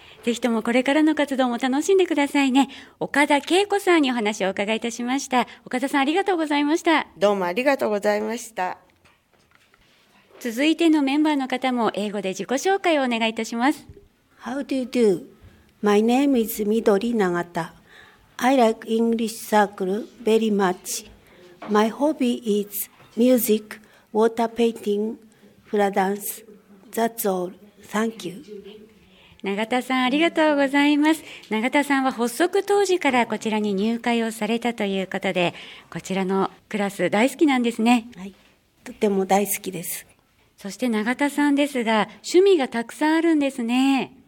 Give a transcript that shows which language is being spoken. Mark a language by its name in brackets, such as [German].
[Japanese] ぜひともこれからの活動も楽しんでくださいね。岡田恵子さんにお話をお伺いいたしました。岡田さん、ありがとうございました。どうもありがとうございました。続いてのメンバーの方も英語で自己紹介をお願いいたします。 [English] How do you do? My name is Midori Nagata. I like English circle very much. My hobby is music, water painting, flower dance. That's all. Thank you. [Japanese] 永田さん、ありがとうございます。永田さんは発足当時からこちらに入会をされたということで、こちらのクラス大好きなんですね。はい、とても大好きです。そして永田さんですが、趣味がたくさんあるんですね。